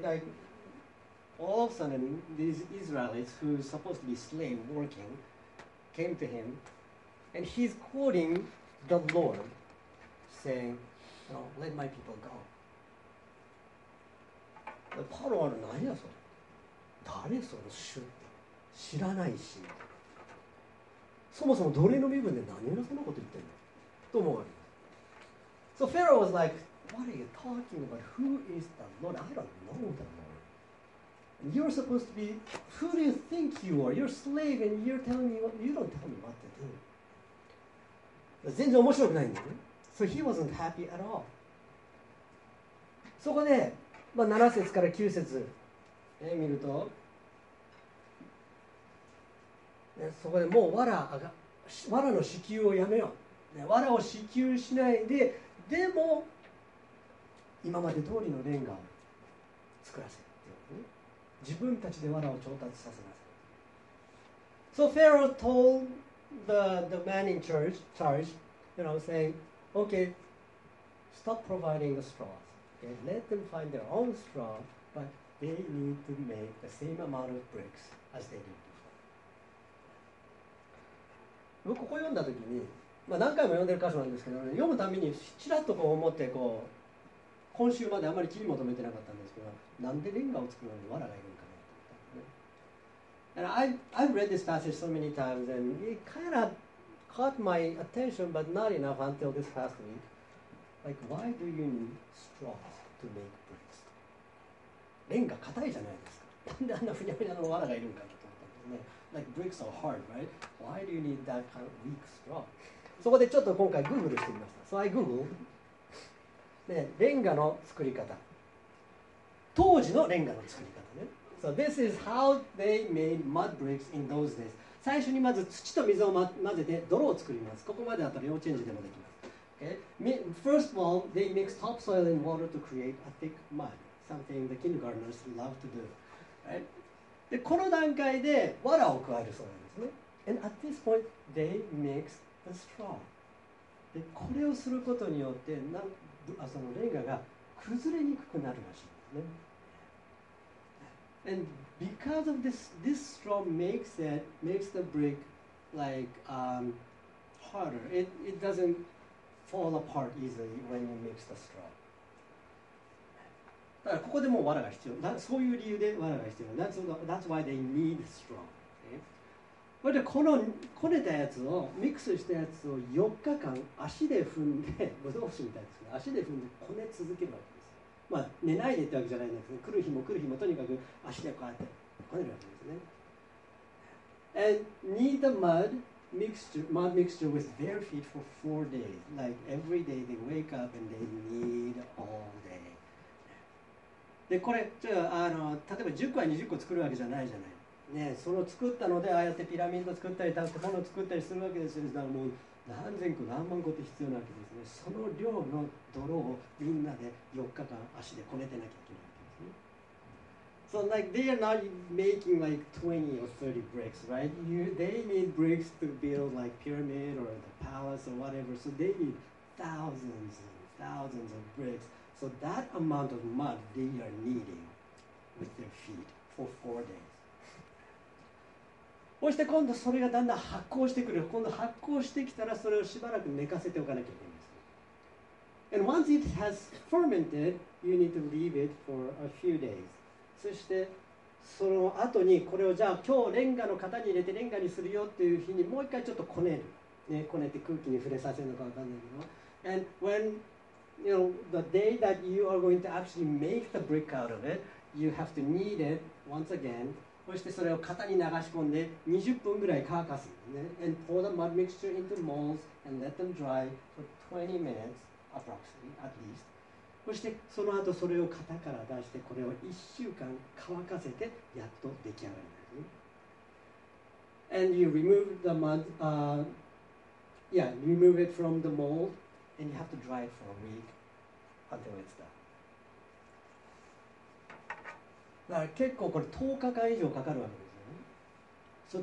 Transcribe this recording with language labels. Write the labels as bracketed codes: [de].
[en] Like, all of a sudden these Israelites who are supposed to be slave working came to him and he's quoting the Lord saying, no, let my people go. [ja] パロは何やそれ、誰その主って知らないし、そもそも奴隷の身分で何偉そうなこと言ってんのと思うわけです。 [en] So Pharaoh was like, what are you talking about? Who is the Lord? I don't know the Lord. You're supposed to be, who do you think you are? You're a slave and you're telling me what, you don't tell me what to do. [ja] 全然面白くないんだよね。 [en] So he wasn't happy at all. [ja] そこで、まあ、7節から9節見ると、そこでもう藁の支給をやめよう、ね、藁を支給しないで、でも今まで通りのレンガを作らせるっていう、ね、自分たちで藁を調達させなさい。 [en] So Pharaoh told the man in charge, you know, saying, okay, stop providing the straws. Okay, let them find their own straw, but they need to make the same amount of bricks as they did. [ja] 僕ここ読んだときに、まあ、何回も読んでる箇所なんですけど、ね、読むたびにちらっとこう思って、こう今週まであまり切り求めてなかったんですけど、なんでレンガを作るのに藁がいるのかなって思ったんですね。 [en] And I've read this passage so many times and it kind of caught my attention but not enough until this past week. Like, why do you need straws to make bricks? [ja] レンガ硬いじゃないですか、なんであんなふにゃふにゃの藁がいるのかと思ったんですね。 [en] Like bricks are hard, right? Why do you need that kind of weak straw? [ja] そこでちょっと今回 Google してみました。 [en] So I Google. [ja] レンガの作り方。当時のレンガの作り方ね。 [en] So this is how they made mud bricks in those days. [ja] 最初にまず土と水を混ぜて泥を作ります。ここまでだったら幼稚園児でもできます。 [en] First of all, they mix topsoil and water to create a thick mud. Something the kindergartners love to do. Right? [ja] で、この段階で藁を加えるそうなんですね。 [en] And at this point, they mix the straw. [ja] で、これをすることによって、そのレンガが崩れにくくなるらしいんですね。 [en] And because of this, this straw makes it, makes the brick like, harder. It doesn't fall apart easily when you mix the straw. [ja] だからここでもう藁が必要。そういう理由で藁が必要。 [en] That's why they need straw. [ja] それでこのこねたやつを、ミックスしたやつを4日間足で踏んで、ブドウ酒みたいですけど、足で踏んでこね続けるわけです。まあ寝ないでってわけじゃないんですけど、来る日も来る日もとにかく足でこうやってこねるわけですね。 [en] And knead the mud mixture with bare feet for 4 days. Like every day they wake up and they knead all day. [ja] で、これじゃあ例えば10個や20個作るわけじゃないじゃない、ね、その作ったのでああやってピラミッド作ったり建物を作ったりするわけですよ。だからもう何千個何万個って必要なわけですね。その量の泥をみんなで4日間足でこねてなきゃいけないわけですね。 [en] So like they are not making like 20 or 30 bricks, right? They need bricks to build like pyramid or the palace or whatever. So they need thousands and thousands of bricks So that amount of mud they are kneading with their feet for 4 days. [ja] そして今度それがだんだん発酵してくる。今度発酵してきたらそれをしばらく寝かせておかなきゃいけないんです。 [en] And once it has fermented, you need to leave it for a few days. [ja] そしてその後にこれをじゃあ今日レンガの型に入れてレンガにするよっていう日にもう一回ちょっとこねる。ね、こねて空気に触れさせるのかわかんないけど。 [en] And when, you know, the day that you are going to actually make the brick out of it, you have to knead it once again. [ja] そしてそれを型に流し込んで20分ぐらい乾かす、ね。 [en] And pour the mud mixture into molds and let them dry for 20 minutes, approximately, at least. [ja] そしてその後それを型から出してこれを1週間乾かせてやっと出来上がるんですね。 [en] And you remove the mud, remove it from the mold, and you have to dry it for a week until it's done. [ja] だから結構これ10日間以上かかるわけですよね。